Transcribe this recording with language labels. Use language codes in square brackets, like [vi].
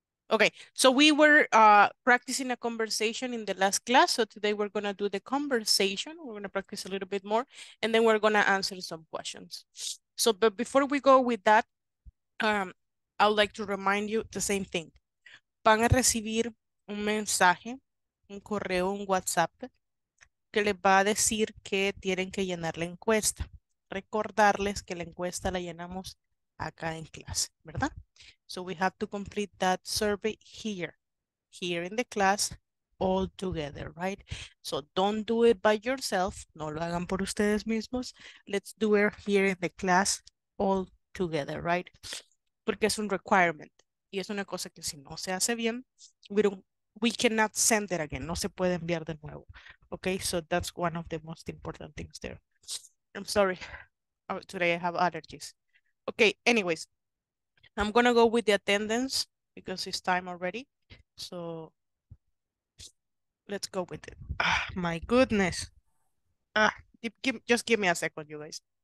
[en] Okay, so we were practicing a conversation in the last class. So today we're going to do the conversation. We're going to practice a little bit more, and then we're going to answer some questions. So, but before we go with that, I would like to remind you the same thing. [es] Van a recibir un mensaje, un correo, un WhatsApp, que les va a decir que tienen que llenar la encuesta. Recordarles que la encuesta la llenamos acá en clase, ¿verdad? [en] So we have to complete that survey here in the class, all together, right? So don't do it by yourself. [es] No lo hagan por ustedes mismos. [en] Let's do it here in the class, all together, right? [es] Porque es un requirement. Y es una cosa que si no se hace bien, [en] we cannot send it again. [es] No se puede enviar de nuevo. [en] Okay, so that's one of the most important things there. I'm sorry. Oh, today I have allergies. Okay, anyways, I'm gonna go with the attendance because it's time already. So let's go with it. Ah, my goodness. Ah, just give me a second, you guys.